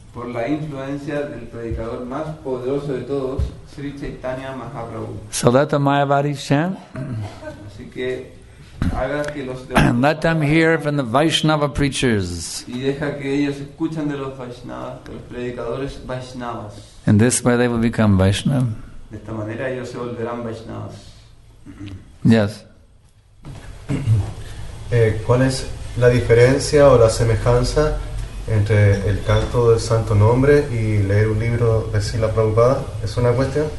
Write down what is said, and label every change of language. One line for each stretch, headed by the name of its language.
Spanish: Por la influencia del predicador más poderoso de todos, Sri Chaitanya Mahaprabhu.
English: So let the Mayavadis chant.
Spanish: Así que haga que los
English: and let them hear from the Vaishnava preachers.
Spanish: Y deja que ellos escuchen de los Vaishnavas, de los predicadores Vaishnavas.
English: In this way they will become Vaishnav.
Spanish: De esta manera ellos se volverán Vaishnavas.
English: Yes.
Spanish: ¿Cuál es la diferencia o la semejanza entre el canto del santo nombre y leer un libro de Srila Prabhupada? Es una cuestión.